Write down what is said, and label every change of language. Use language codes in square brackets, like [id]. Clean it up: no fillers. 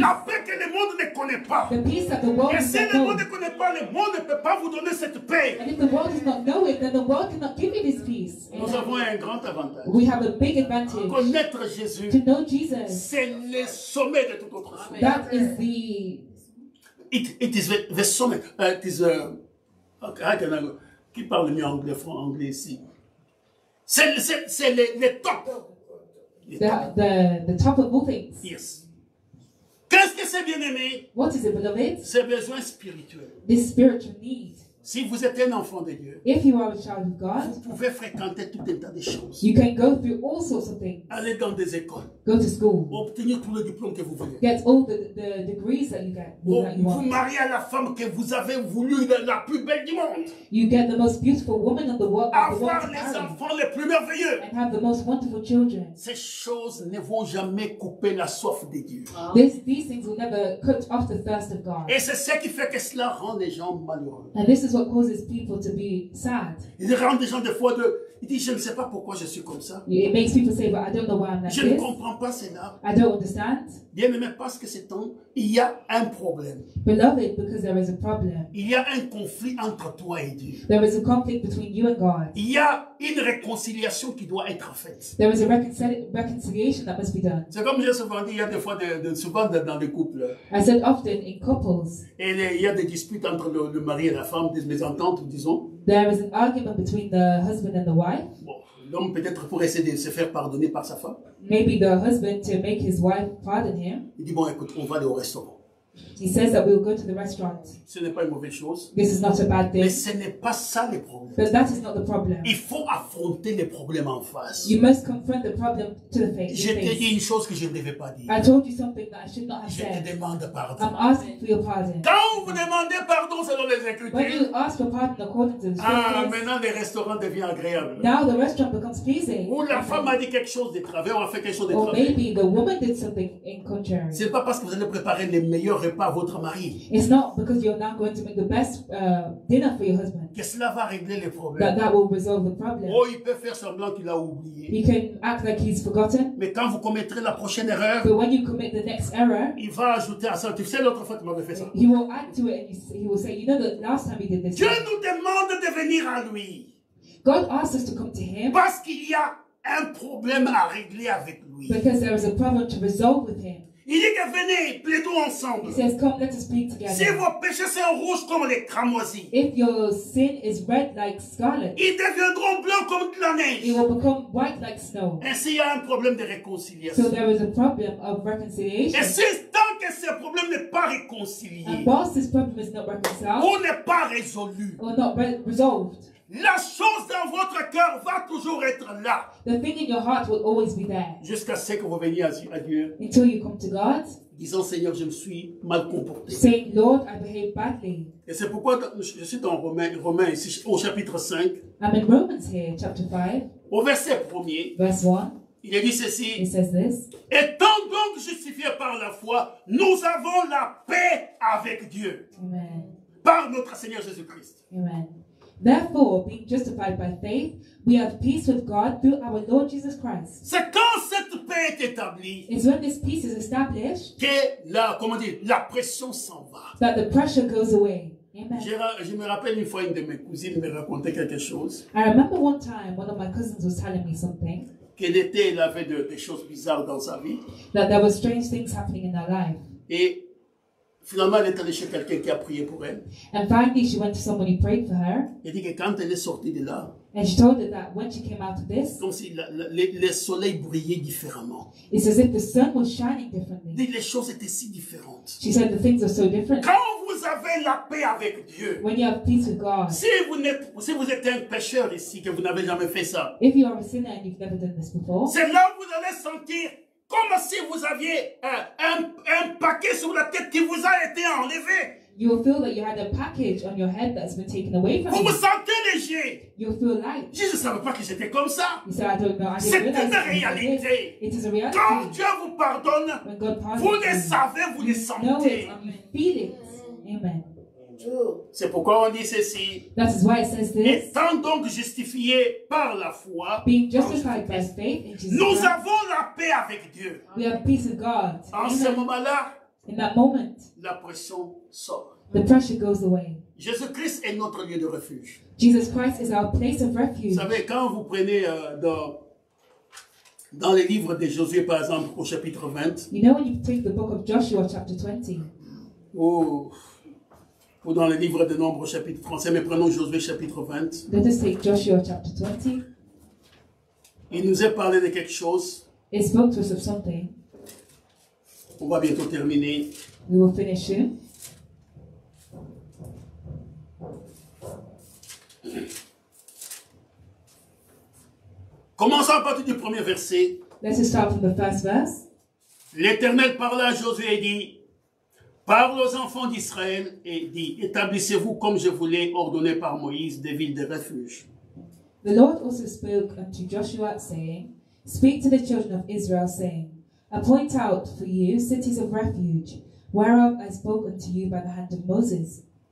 [fr] La paix que le monde ne connaît pas. [en] The peace that the world [fr] et si le monde ne connaît pas, le monde ne peut pas vous donner cette paix. [en] And if the world does not know it, then the world cannot give you this peace. [fr] Nous avons un grand avantage. [en] We have a big advantage. [fr] Connaître Jésus. [en] To know Jesus. [fr] C'est le sommet de toute autre chose. [en] That is the... It is the summit. It is... Okay, I can go. [fr] Qui parle mieux anglais, font anglais ici. C'est le top. [en] The top of all things. [fr] Yes. Qu'est-ce que c'est, bien-aimé? [en] What is it, beloved? [fr] C'est besoin spirituel. [en] This spiritual need. [fr] Si vous êtes un enfant de Dieu, [en] if you are a child of God, [fr] vous pouvez fréquenter tout un tas de choses. [en] You can go through all sorts of things. [fr] Aller dans des écoles. [en] Go to school. [fr] Obtenir tous les diplômes que vous voulez. [en] Get all the degrees that you get. [fr] Vous mariez à la femme que vous avez voulu, la plus belle du monde. [en] You get the most beautiful woman in the world. [fr] Avoir les enfants les plus merveilleux. [en] And have the most wonderful children. [fr] Ces choses ne vont jamais couper la soif de Dieu. [en] These things will never cut off the thirst of God. [fr] Et c'est ce qui fait que cela rend les gens malheureux. [en] And this is what causes people to be sad. [fr] Il rend des gens des fois de... Il dit, je ne sais pas pourquoi je suis comme ça. [en] It makes people say, but I don't know why I'm like [fr] je [en] this. [fr] Je ne comprends pas cela. [en] I don't understand. [fr] Bien aimé, parce que c'est temps, il y a un problème. [en] Beloved, because there is a problem. [fr] Il y a un conflit entre toi et Dieu. [en] There is a conflict between you and God. [fr] Il y a une réconciliation qui doit être faite. [en] There is a reconciliation that must be done. [fr] C'est comme je souvent dis, il y a des fois, souvent dans les couples. [en] I said often in couples. [fr] Et il y a des disputes entre le mari et la femme, des mésententes, disons. [en] There is an argument between the husband and the wife. [fr] Bon, l'homme peut-être pour essayer de se faire pardonner par sa femme. [en] Maybe the husband to make his wife pardon him. [fr] Il dit, bon, écoute, on va aller au restaurant. [en] He says that we'll go to the restaurant. [fr] Ce n'est pas une mauvaise chose. [en] This is not a bad thing. [fr] Mais ce n'est pas ça le problème. [en] But that is not the problem. [fr] Il faut affronter les problèmes en face. [en] You must confront the problem to the face. [fr] Je t'ai dit une chose que je ne devais pas dire. [en] I told you something that I should not have said. [fr] Je te demande pardon. [en] I'm asking for your pardon. [fr] Quand vous demandez pardon selon les Écritures. [en] When you ask for pardon according to the [fr] Scriptures. Ah, maintenant le restaurant devient agréable. [en] Now the restaurant becomes pleasing. [fr] Ou la femme a dit quelque chose de travers, ou a fait quelque chose de travers. [en] Or maybe the woman did something in contrary. [fr] C'est pas parce que vous allez préparer les meilleurs pas votre mari. [en] It's not because you're not going to make the best dinner for your husband. [fr] Que cela va régler les problèmes. [en] That will resolve the problem. [fr] Oh, il peut faire semblant qu'il a oublié. [en] He can act like he's forgotten. [fr] Mais quand vous commettrez la prochaine erreur, [en] but when you commit the next error, [fr] il va ajouter à ça. Tu sais l'autre fois tu m'avais fait ça. [en] He will add to it and he will say, you know, the last time he did this. [fr] Dieu nous demande de venir à lui. [en] God asks us to come to him. [fr] Parce qu'il y a un problème à régler avec lui. [en] Because there is a problem to resolve with him. [fr] Il dit que venez, plaidons ensemble. [en] He says, come, let us plead together. [fr] Si vos péchés sont rouges comme les cramoisies, [en] if your sin is red like scarlet, [fr] ils deviendront blancs comme la neige. [en] It will become white like snow. [fr] Ainsi, il y a un problème de réconciliation. [en] So there is a problem of reconciliation. [fr] Et si tant que ce problème n'est pas réconcilié, [en] and whilst this problem is not reconciled, [fr] ou n'est pas résolu, [en] or not resolved, [fr] la chose dans votre cœur va toujours être là. [en] The thing in your heart will always be there. [fr] Jusqu'à ce que vous veniez à Dieu. [en] Until you come to God. [fr] Disant, Seigneur, je me suis mal comporté. [en] Saying, Lord, I behaved badly. [fr] Et c'est pourquoi je suis dans Romains au chapitre 5. [en] I'm in Romans here, chapter 5. [fr] Au verset 1er. [en] Verse 1. [fr] Il dit ceci. [en] He says this. [fr] Étant donc justifié par la foi, nous avons la paix avec Dieu. Amen. Par notre Seigneur Jésus-Christ. Amen. [en] Therefore, being justified by faith, we have peace with God through our Lord Jesus Christ. [fr] C'est quand cette paix est établie, [en] it's when this peace is established [fr] que la, comment dire, la pression s'en va. [en] That the pressure goes away. Amen. [fr] Je me rappelle une fois une de mes cousines me racontait quelque chose. [en] I remember one time one of my cousins was telling me something. [fr] Qu'elle était, elle avait des choses bizarres dans sa vie. [en] That there were strange things happening in her life. [fr] Et finalement, elle est allée chez quelqu'un qui a prié pour elle. [en] And finally, she went to someone who prayed for her. [fr] Elle dit que quand elle est sortie de là, [en] and she told her that when she came out of this, [fr] comme si le soleil brillait différemment. [en] It's as if the sun was shining differently. [fr] Les choses étaient si différentes. [en] She said the things are so different. [fr] Quand vous avez la paix avec Dieu, [en] when you have peace with God, [fr] si vous êtes un pécheur ici, que vous n'avez jamais fait ça, [en] if you are a sinner and you've never done this before, [fr] c'est là où vous allez sentir comme si vous aviez un paquet sur la tête qui vous a été enlevé. [en] You will feel that you had a package on your head that's been taken away from [fr] vous [en] you. [fr] Vous vous sentez léger. [en] You will feel light. [fr] Je ne savais pas que c'était comme ça. [en] You said, I don't know. I didn't [fr] c'est une réalité. [en] It is a reality. [fr] Quand Dieu vous pardonne, [en] when God pardons, [fr] vous le savez, vous le sentez. [en] You feel it. Amen. [fr] C'est pourquoi on dit ceci. [en] That is why it says this. [fr] Étant donc justifié par la foi, [en] being justified by faith in Jesus, [fr] nous avons la paix avec Dieu. [en] We have peace with God. [fr] En ce moment-là, [en] in that moment, [fr] la pression sort. [en] The pressure goes away. [fr] Jésus-Christ est notre lieu de refuge. [en] Jesus Christ is our place of refuge. [fr] Vous savez, quand vous prenez dans les livres de Josué, par exemple, au chapitre 20, [en] you know when you take the book of Joshua, chapter 20, [fr] ou dans le livre de Nombre, chapitre 37, mais prenons Josué, chapitre 20. [en] Let us take Joshua, chapter 20. [fr] Il nous a parlé de quelque chose. [en] He spoke to us of something. [fr] On va bientôt terminer. [en] We will finish soon. [fr] Commençons à partir du premier verset. [en] Let us start from the first verse. [fr] L'Éternel parla à Josué et dit, parle aux enfants d'Israël et dis, établissez-vous comme je vous l'ai ordonné par Moïse des villes de refuge. [en] The Lord also spoke unto Joshua, saying, speak to the children of Israel, saying, appoint out for you cities of refuge, whereof I spoke unto you by the hand of Moses.